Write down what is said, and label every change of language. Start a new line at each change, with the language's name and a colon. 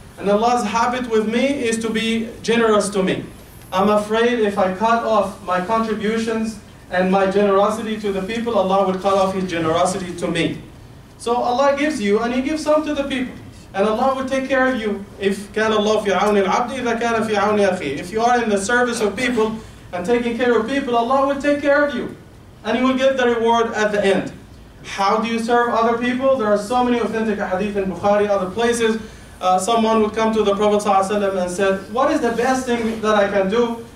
English: And Allah's habit with me is to be generous to me. I'm afraid if I cut off my contributions and my generosity to the people, Allah would cut off His generosity to me. So Allah gives you and He gives some to the people. And Allah will take care of you.
Arabic: If كان الله في عون العبد إذا كان في عون أخي.
English: If you are in the service of people and taking care of people, Allah will take care of you. And He will get the reward at the end. How do you serve other people? There are so many authentic hadith in Bukhari, other places. Someone would come to the Prophet ﷺ and said, what is the best thing that I can do?